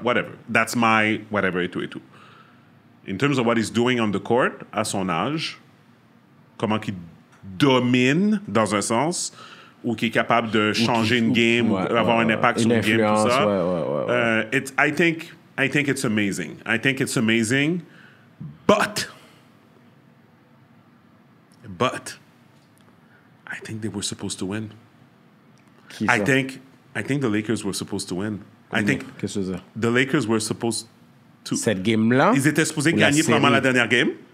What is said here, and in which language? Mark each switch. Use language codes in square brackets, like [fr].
[en] Whatever. That's my whatever [fr] et tout et tout. [en] In terms of what he's doing on the court, [fr] à son âge, comment qu'il domine dans un sens, ou qu'il est capable de changer une game, ouais, ou avoir un impact sur une game, tout ça. Ouais. [en] I think it's amazing. I think it's amazing. But, I think they were supposed to win. I think the Lakers were supposed to win. Oui, I think [fr] qu'est-ce que c'est? [en] The Lakers were supposed to... [fr] Cette game-là? Ils étaient supposés gagner vraiment la dernière game.